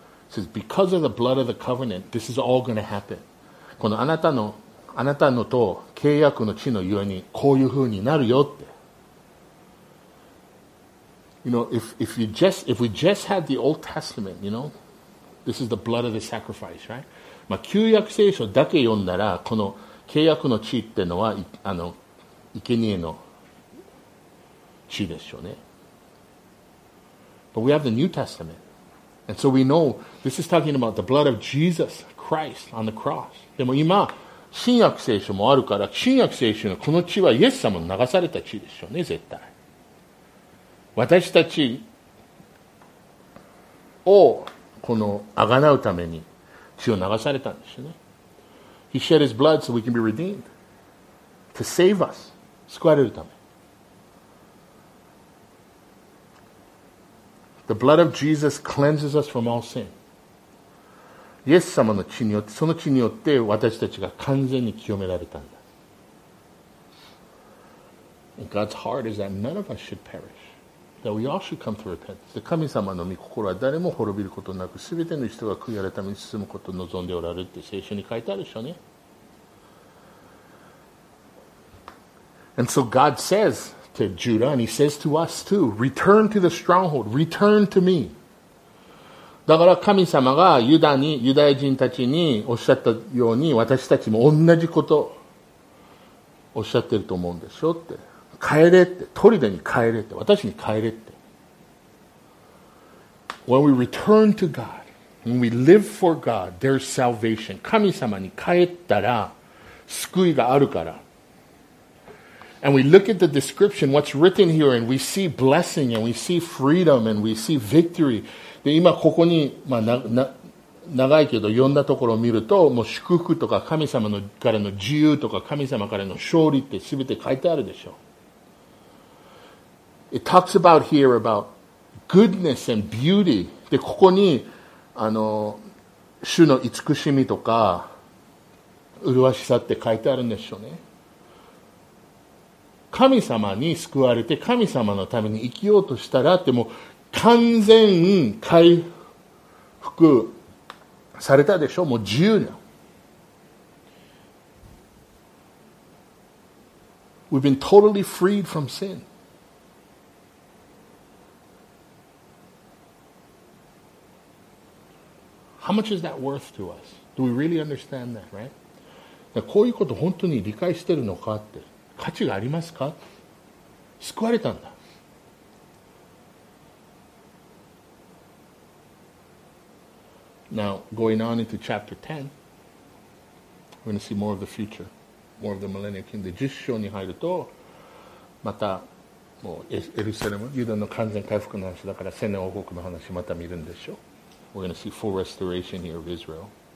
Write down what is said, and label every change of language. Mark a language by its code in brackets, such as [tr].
[en] Says, because of the blood of the covenant, this is all going to happen. [ja] このあなたのと契約の地のゆえにこういうふうになるよって。 [en] You know, if we just had the Old Testament, you know, this is the blood of the sacrifice, right? [ja] 旧約聖書だけ読んだら、この契約の地ってのは、生贄の地でしょうね。 [en] But we have the New Testament. And so we know this is talking about the blood of Jesus Christ on the cross. [ja] でも今新約聖書もあるから、新約聖書のこの血はイエス様の流された血でしょうね。絶対私たちをこの贖うために血を流されたんですよね。 [en] He shed his blood so we can be redeemed to save us. [ja] 救われるため。 [en] The blood of Jesus cleanses us from all sin. [ja] イエス様の血によって、その血によって私たちが完全に清められたんだ。 [en] God's heart is that none of us should perish. that we all should come to repentance. [ja] 神様の御心は誰も滅びることなく、すべての人が悔い改めに進むことを望んでおられるって聖書に書いてあるでしょうね。 [en] And so God says to Judah, and He says to us too, return to the stronghold, return to me. [ja] だから神様がユダヤ人たちにおっしゃったように、私たちも同じことをおっしゃってると思うんでしょって。帰れって、トリデに帰れって、私に帰れって。 [en] When we return to God, when we live for God, there's salvation. [ja] 神様に帰ったら救いがあるから。 [en] And we look at the description, what's written here, and we see blessing, and we see freedom, and we see victory. [ja] で、今ここに、まあ、長いけど、読んだところを見ると、もう祝福とか神様のからの自由とか神様からの勝利って全て書いてあるでしょう。 [en] It talks about here about goodness and beauty. [ja] で、ここに、主の慈しみとか、麗しさって書いてあるんでしょうね。神様に救われて神様のために生きようとしたらってもう完全回復されたでしょ、もう自由な。 [en] We've been totally freed from sin. How much is that worth to us? Do we really understand that, right? [ja] だからこういうこと本当に理解してるのかって。価値がありますか？救われたんだ。 [en] Now, going on into chapter 10, we're going to see more of the future, more of the millennial kingdom. [ja] 十章に入ると、またもうエルサレム、ユダの完全回復の話だから、千年王国の話また見るんでしょう。 [en] We're going to see full restoration here of Israel.